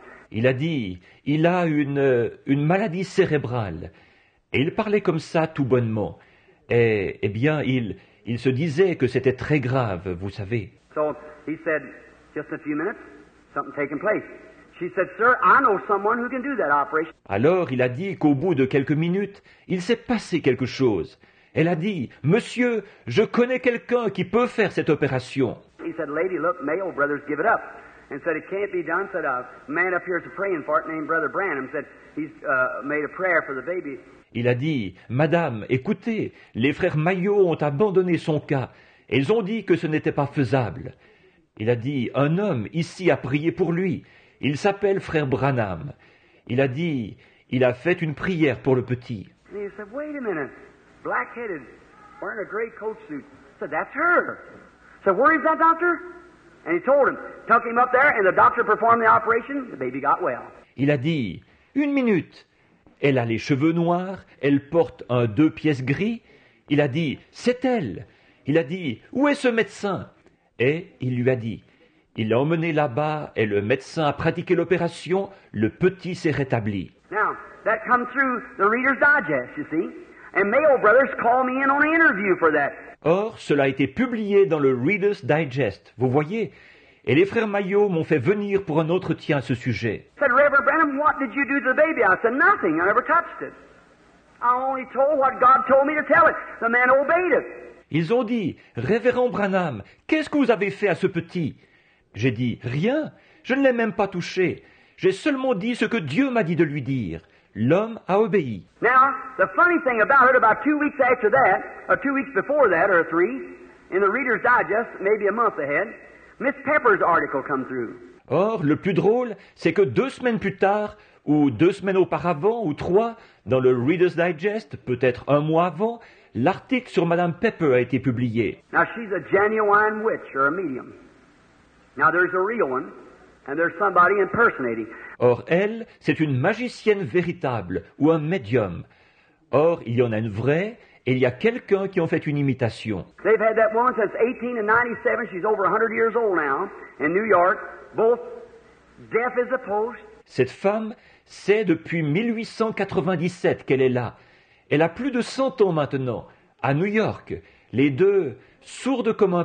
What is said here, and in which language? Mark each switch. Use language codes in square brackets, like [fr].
[fr] Il a dit, il a une maladie cérébrale. Et il parlait comme ça tout bonnement. Et eh bien, il se disait que c'était très grave, vous savez. [en] So he said, just a few minutes, something taking place. She said, sir, I know someone who can do that operation. [fr] Alors il a dit qu'au bout de quelques minutes, il s'est passé quelque chose. Elle a dit, monsieur, je connais quelqu'un qui peut faire cette opération. [en] He said, lady, look, Mayo brothers give it up. And said, it can't be done. Said, a man up here is praying for it named Brother Branham. Said, he's made a prayer for the baby. [fr] Il a dit, madame, écoutez, les frères Mayo ont abandonné son cas. Ils ont dit que ce n'était pas faisable. Il a dit, un homme ici a prié pour lui. Il s'appelle frère Branham. Il a dit, il a fait une prière pour le petit. [en] And he said, wait a minute, black-headed, wearing a gray coat suit. Said, that's her. Said, where is that doctor? And he told him, took him up there, and the doctor performed the operation, the baby got well. [fr] Il a dit, une minute, elle a les cheveux noirs, elle porte un 2 pièces gris. Il a dit, c'est elle. Il a dit, où est ce médecin? Et il lui a dit, il l'a emmené là-bas, et le médecin a pratiqué l'opération, le petit s'est rétabli. [en] Now, that comes through the Reader's Digest, you see. And Mayo Brothers call me in on an interview for that. [fr] Or, cela a été publié dans le Reader's Digest, vous voyez. Et les frères Mayo m'ont fait venir pour un entretien à ce sujet. [en] I said, Reverend Branham, what did you do to the baby? I said, nothing. I never touched it. I only told what God told me to tell it. The man obeyed it. [fr] Ils ont dit, Révérend Branham, qu'est-ce que vous avez fait à ce petit? J'ai dit, rien. Je ne l'ai même pas touché. J'ai seulement dit ce que Dieu m'a dit de lui dire. L'homme a obéi. [en] Now, the funny thing about it, about 2 weeks after that, or 2 weeks before that, or 3, in the Reader's Digest, maybe a month ahead, Miss Pepper's article comes through. [fr] Or, le plus drôle, c'est que 2 semaines plus tard, ou 2 semaines auparavant, ou 3, dans le Reader's Digest, peut-être 1 mois avant, l'article sur Madame Pepper a été publié. [en] Now, she's a genuine witch, or a medium. Now, there's a real one, And there's somebody impersonating. [fr] Or elle, c'est une magicienne véritable ou un médium. Or il y en a une vraie et il y a quelqu'un qui en fait une imitation. [en] They've had that woman since 1897. She's over 100 years old now in New York. Both deaf as a post. [fr] Cette femme, c'est depuis 1897 qu'elle est là. Elle a plus de 100 ans maintenant, à New York, les deux sourdes comme un